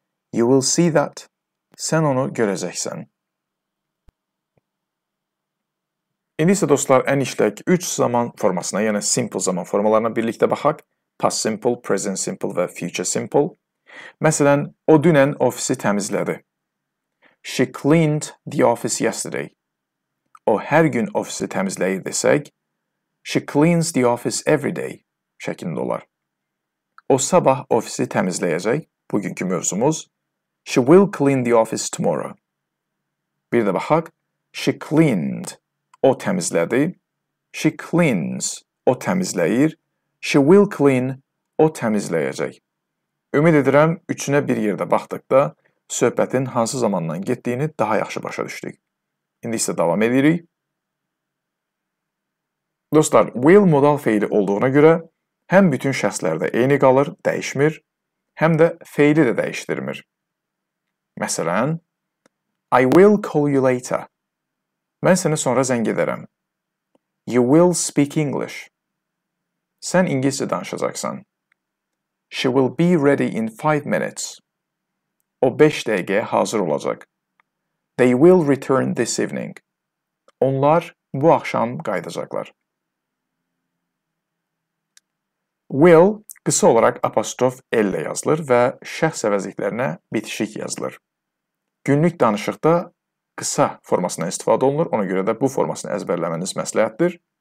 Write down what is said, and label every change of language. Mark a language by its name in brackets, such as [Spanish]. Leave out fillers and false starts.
[English] You will see that, [Azerbaijani] sən onu görəcəksən. İndi isə dostlar, ən işlək 3 zaman formasına, yəni simple zaman formalarına birlikdə baxaq. Past simple, present simple və future simple. Məsələn, o dünən ofisi təmizlədi. [English] She cleaned the office yesterday. [Azerbaijani] O hər gün ofisi təmizləyir desək, [English] she cleans the office every day [Azerbaijani] şəklində olar. O sabah ofisi təmizləyəcək, bugünkü mövzumuz. [English] She will clean the office tomorrow. [Azerbaijani] Bir də baxaq, [English] she cleaned. [Azerbaijani] O təmizlədi, [English] she cleans, [Azerbaijani] o təmizləyir, [English] she will clean, [Azerbaijani] o təmizləyəcək. Ümid edirəm, üçünə bir yerdə baxdıqda söhbətin hansı zamandan getdiyini daha yaxşı başa düşdük. İndi isə davam edirik. Dostlar, will modal feili olduğuna görə həm bütün şəxslərdə eyni qalır, dəyişmir, həm də feili də dəyişdirmir. [English] Məsələn, I will call you later. [Azerbaijani] Mən sənə sonra zəng edərəm. [English] You will speak English. [Azerbaijani] Sən ingiliscə danışacaqsan. [English] She will be ready in 5 minutes. [Azerbaijani] O 5 dəqiqəyə hazır olacaq. [English] They will return this evening. [Azerbaijani] Onlar bu axşam qayıdacaqlar. Will qısa olaraq apostrof L-lə yazılır və şəxs əvəzliklərinə bitişik yazılır. Günlük danışıqda qısa formasına istifadə olunur, ona görə də bu formasını əzbərləməniz məsləhətdir.